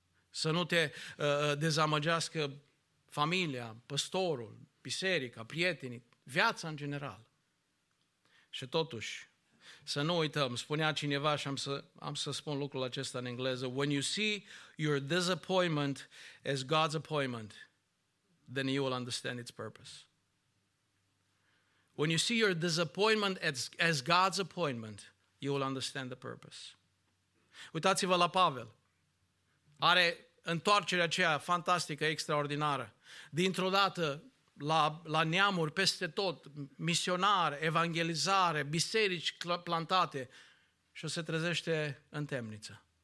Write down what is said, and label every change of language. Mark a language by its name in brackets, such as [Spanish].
[Romanian] Să nu te dezamăgească familia, păstorul, biserica, prietenii, viața în general. Și totuși, să nu uităm, spunea cineva și am să spun lucrul acesta în engleză, [English] when you see your disappointment as God's appointment, then you will understand its purpose. When you see your disappointment as God's appointment, you will understand the purpose. [Romanian] Uitați-vă la Pavel. Are întoarcerea aceea fantastică, extraordinară. Dintr-o dată, la neamuri peste tot, misionare, evangelizare, biserici plantate, și se trezește în temniță.